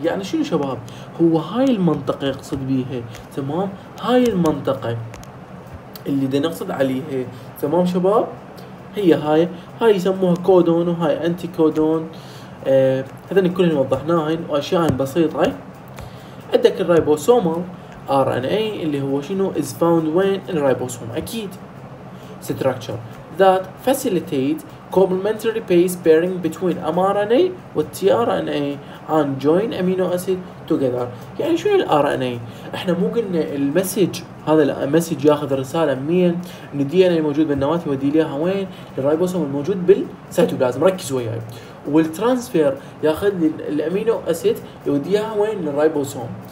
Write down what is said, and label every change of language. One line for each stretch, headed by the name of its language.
Arabic: يعني شنو شباب؟ هو هاي المنطقة يقصد بيها، تمام؟ هاي المنطقة اللي دا نقصد عليها، تمام شباب؟ هي هاي يسموها كودون وهاي انتي كودون. هذا كلهن وضحناهن واشياء بسيطة. عندك الرايبوسومال ار ان اي اللي هو شنو؟ از باوند وين؟ الرايبوسوم اكيد
English: structure that facilitates complementary base pairing between mRNA and tRNA and join amino acid together.
Arabic: يعني شنو ال RNA؟ احنا مو قلنا المسج، هذا المسج ياخذ رساله من الدي ان اي موجود بالنواة يودي ليها وين؟ للرايبوسوم الموجود بالسيتوبلازم، ركز وياي. والترانسفير ياخذ الامينو اسيد يوديها وين؟ للرايبوسوم.